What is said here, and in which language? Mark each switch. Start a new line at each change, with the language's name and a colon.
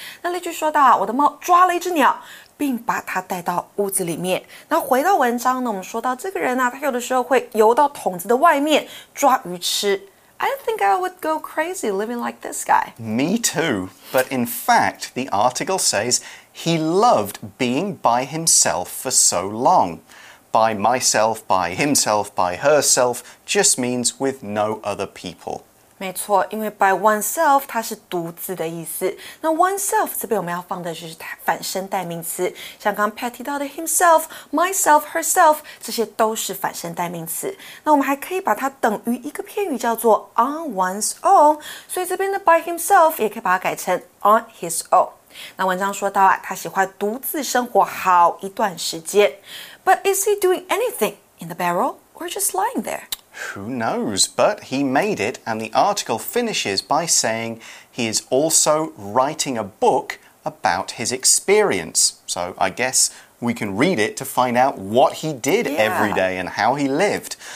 Chinese: 那例句说到啊，我的猫抓了一只鸟，并把它带到屋子里面。那回到文章呢，我们说到这个人啊，他有的时候会游到桶子的外面抓鱼吃。
English: I don't think I would go crazy living like this guy. Me too. But in fact, the article says he loved being by himself for so long. By myself, by himself, by herself, just means with no other people.
Chinese: 没错，因为 by oneself 它是独自的意思。那 oneself 这边我们要放的就是反身代名词，像刚 Pat 提到的 himself, myself, herself, 这些都是反身代名词。那我们还可以把它等于一个片语叫做
English: on one's own,
Chinese: 所以这边的 by himself 也可以把它改成
English: on his own。
Chinese: 那文章说到啊，他喜欢独自生活好一段时间。
English: But is he doing anything in the barrel or just lying there? Who knows? But he made it, and the article finishes by saying he is also writing a book about his experience. So I guess We can read it to find out what he did every day and how he lived.